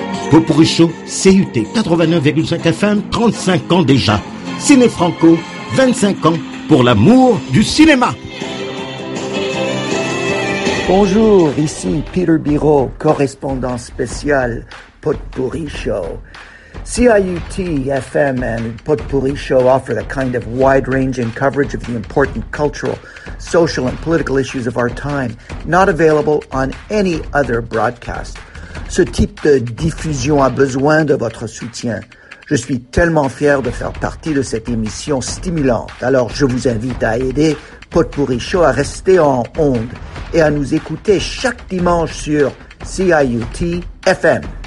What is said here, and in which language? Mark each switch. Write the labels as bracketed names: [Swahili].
[French] Popourri Show, CUT 89,5 FM, 35 ans déjà. Ciné Franco, 25 ans pour l'amour du cinéma. Bonjour, ici Peter Biro, correspondant spécial Potpourri Show. [English] CIUT FM and Potpourri Show offer a kind of wide-ranging coverage of the important cultural, social, and political issues of our time, not available on any other broadcast. [French] Ce type de diffusion a besoin de votre soutien. Je suis tellement fier de faire partie de cette émission stimulante. Alors, je vous invite à aider Potpourri Show à rester en onde et à nous écouter chaque dimanche sur CIUT FM.